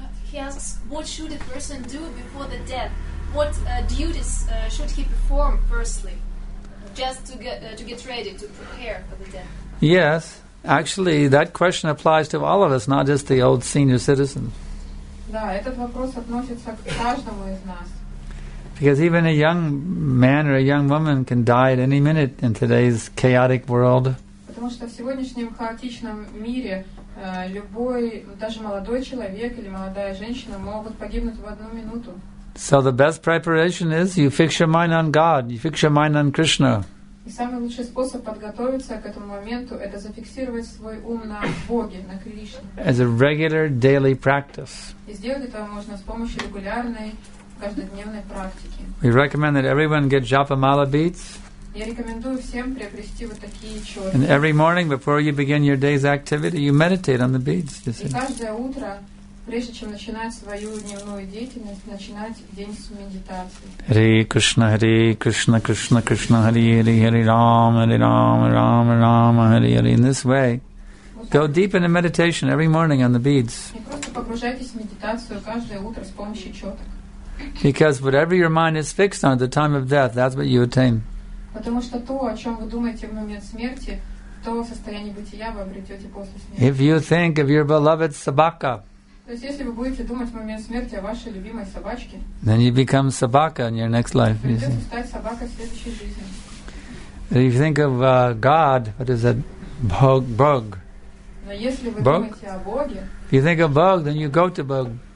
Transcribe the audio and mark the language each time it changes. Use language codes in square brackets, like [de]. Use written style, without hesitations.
[en] He asks, what should a person do before the death? What duties should he perform firstly, just to get ready, to prepare for the death? Yes, actually, that question applies to all of us, not just the old senior citizen. [ru] Да, этот вопрос относится к каждому из нас. [en] Because even a young man or a young woman can die at any minute in today's chaotic world. [ru] Потому что в сегодняшнем хаотичном мире любой, даже молодой человек или молодая женщина могут погибнуть в одну минуту. [en] So the best preparation is you fix your mind on God, you fix your mind on Krishna. [ru] И самый лучший способ подготовиться к этому моменту – это зафиксировать свой ум на Боге, на Кришне. [en] As a regular daily practice. [ru] И сделать это можно с помощью регулярной, каждодневной практики. [en] We recommend that everyone get Japa Mala beads. [ru] Я рекомендую всем приобрести вот такие чёрки. [en] And every morning before you begin your day's activity, you meditate on the beads. [ru] И каждое утро, прежде чем начинать свою дневную деятельность, начинать день с медитации. [sa] Hare Krishna, Krishna Krishna, Hare Hare, Hare Rama, Hare Rama, Rama Rama, Hare Hare. [en] In this way, go deep into meditation every morning on the beads. [ru] И просто погружайтесь в медитацию каждое утро с помощью чёрток. [en] Because whatever your mind is fixed on at the time of death, that's what you attain. [ru] Потому что то, о чем вы думаете в момент смерти, то состояние бытия вы обретете после смерти. [en] If you think of your beloved [ru] собака, то есть если вы будете думать в момент смерти о вашей любимой собачке, [en] then you become [ru] собака [en] in your next life. [ru] Придется стать собакой в следующей жизни. [en] If you think of God, what is it? [ru] Bog. Но если вы Bog? Думаете о Боге, [en] if you think of [ru] Bog, [en] then you go to Bog.